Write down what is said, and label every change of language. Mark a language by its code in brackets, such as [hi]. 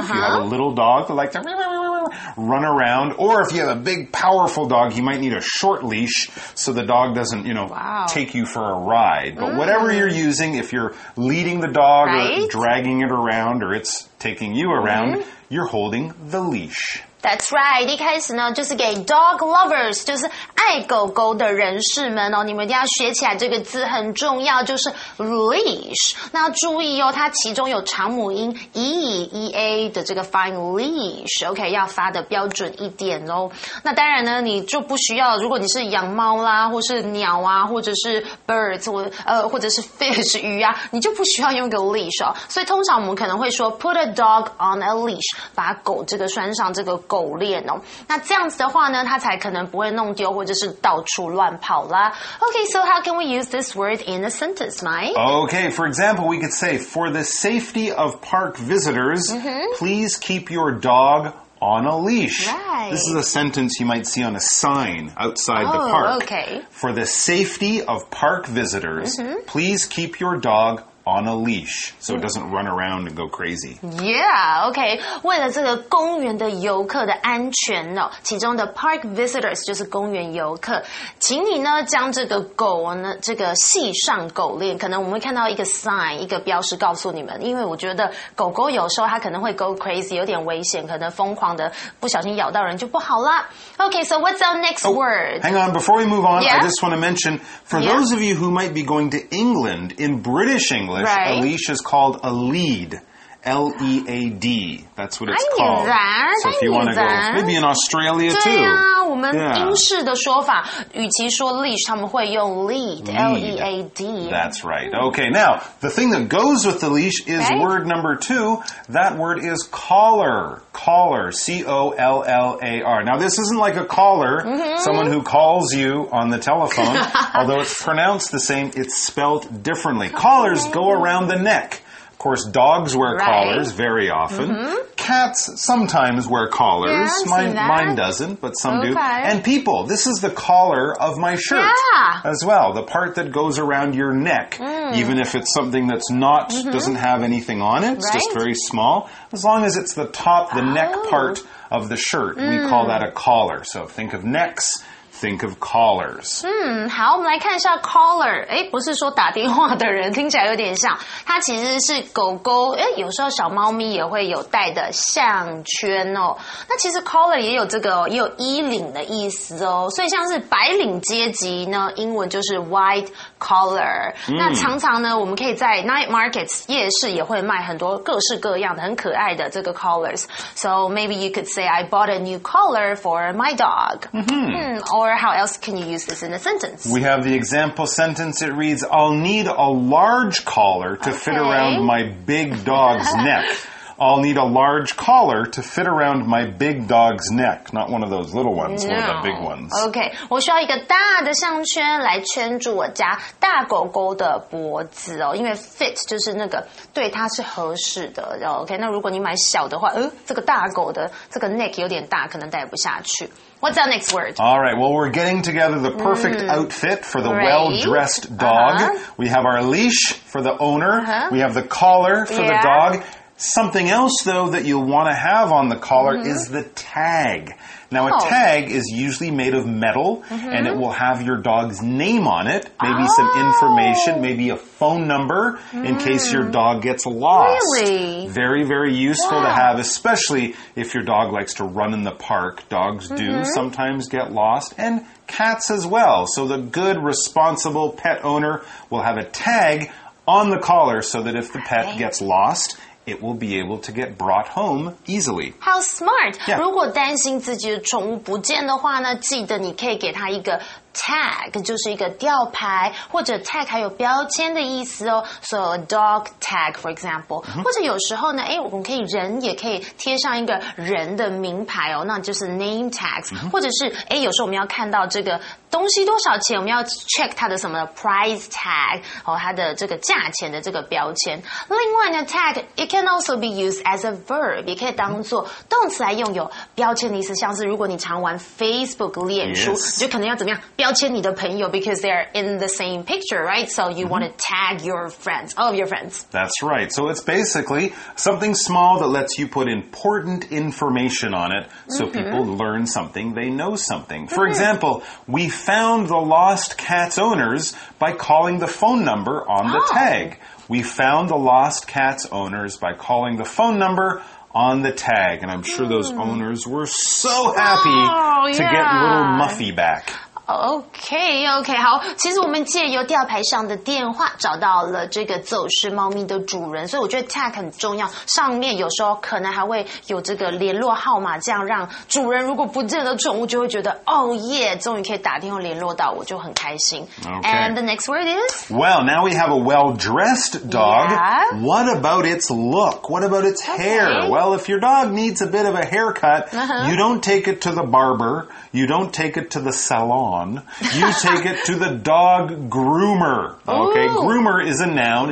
[en] If you have a little dog that likes to run around, or if you have a big, powerful dog, you might need a short leash so the dog doesn't, you know, take you for a ride. But whatever you're using, if you're leading the dog or dragging it around or it's taking you around, you're holding the leash. [zh] That's right, 一开始呢就是给 [en] dog lovers, [zh] 就是爱狗狗的人士们哦，你们一定要学起来这个字很重要，就是 leash, 那注意哦，它其中有长母音 E-E-A 的这个发音 leash, OK, 要发的标准一点哦。那当然呢你就不需要，如果你是养猫啦或是鸟啊或者是 birds, 或者是 fish, 鱼啊，你就不需要用个 leash 哦，所以通常我们可能会说 [en] put a dog on a leash, [zh] 把狗这个拴上这个狗链哦，那这样子的话呢，它才可能不会弄丢或者是到处乱跑啦。 [en] Okay, so how can we use this word in a sentence, Mike? Okay, for example, we could say, for the safety of park visitors, please keep your dog on a leash. Right. This is a sentence you might see on a sign outside the park. Okay. For the safety of park visitors, please keep your dog on a leash, so it doesn't run around and go crazy. Yeah, okay. [zh] 为了这个公园的游客的安全呢，其中的 park visitors 就是公园游客，请你呢将这个狗呢这个系上狗链。可能我们会看到一个 sign, 一个标识告诉你们，因为我觉得狗狗有时候它可能会 [en] go crazy, [zh] 有点危险，可能疯狂的不小心咬到人就不好啦。 [en] Okay, so what's our next word? Hang on, before we move on, I just want to mention, for those of you who might be going to England, in British English, English. Right. A leash is called a lead. L-E-A-D. That's what it's called. I knew that. So if you want to go, maybe in Australia too. [zh] 对啊，我们英式的说法，与其说 leash, 他们会用 lead. [en] L-E-A-D. That's right. Okay, now, the thing that goes with the leash is word number two. That word is collar. Collar. C-O-L-L-A-R. Now, this isn't like a caller, someone who calls you on the telephone, although it's pronounced the same, it's spelled differently. Collars go around the neck. Of course, dogs wear collars very often. Mm-hmm. Cats sometimes wear collars. Yeah, mine doesn't, but some do. And people, this is the collar of my shirt as well. The part that goes around your neck, even if it's something that's not, doesn't have anything on it. It's just very small. As long as it's the top, the neck part of the shirt, we call that a collar. So think of necks. Think of callers. [zh] 好，我们来看一下 caller。哎，不是说打电话的人，听起来有点像。它其实是狗狗，哎，有时候小猫咪也会有戴的项圈哦。那其实 caller 也有这个，也有衣领的意思哦。所以像是白领阶级呢，英文就是 white collar。那常常呢，我们可以在 [en] night markets [zh] 夜市也会卖很多各式各样的很可爱的这个 collars。 [en] So maybe you could say I bought a new collar for my dog. Or how else can you use this in a sentence? We have the example sentence. It reads, I'll need a large collar to fit around my big dog's neck. I'll need a large collar to fit around my big dog's neck. Not one of those little ones, one of the big ones. [zh] Okay, 我需要一个大的项圈来圈住我家大狗狗的脖子哦，因为 fit 就是那个对它是合适的。 Okay, 那如果你买小的话，这个大狗的这个 neck 有点大，可能戴不下去。 [en] What's our next word? All right, well, we're getting together the perfect outfit for the well-dressed dog. We have our leash for the owner. We have the collar for the dog. Something else, though, that you'll want to have on the collar is the tag. Now, a tag is usually made of metal, and it will have your dog's name on it, maybe some information, maybe a phone number, in case your dog gets lost. Really? Very, very useful to have, especially if your dog likes to run in the park. Dogs do sometimes get lost, and cats as well. So the good, responsible pet owner will have a tag on the collar so that if the pet gets lost... It will be able to get brought home easily. How smart! Yeah. [zh] 如果担心自己的宠物不见的话呢，记得你可以给它一个 tag， 就是一个吊牌，或者 tag 还有标签的意思哦。 [en] So a dog tag, for example.、 [zh] 或者有时候呢，哎，我们可以人也可以贴上一个人的名牌哦，那就是 name tags.、或者是哎，有时候我们要看到这个。东西多少钱？我们要 check 它的什么 price tag 哦，它的这个价钱的这个标签。另外呢 ， [en] tag it can also be used as a verb， [zh] 也可以当做动词来用，有标签的意思。像是如果你常玩 Facebook 脸书，就可能要怎么样标签你的朋友 ， [en] because they are in the same picture, right? So you want to tag your friends, all of your friends. That's right. So it's basically something small that lets you put important information on it, so people learn something, they know something. For example, we found the lost cat's owners by calling the phone number on the tag. We found the lost cat's owners by calling the phone number on the tag. And I'm sure those owners were so happy to get little Muffy back. [zh] OK, 好，其实我们借由吊牌上的电话找到了这个走失猫咪的主人，所以我觉得 tag 很重要，上面有时候可能还会有这个联络号码，这样让主人如果不见的宠物就会觉得终于可以打电话联络到我，就很开心。 [en] Okay. And the next word is? Well, now we have a well-dressed dog. Yeah. What about its look? What about its hair? Well, if your dog needs a bit of a haircut, you don't take it to the barber, you don't take it to the salon. You take it to the dog groomer. Okay, groomer is a noun.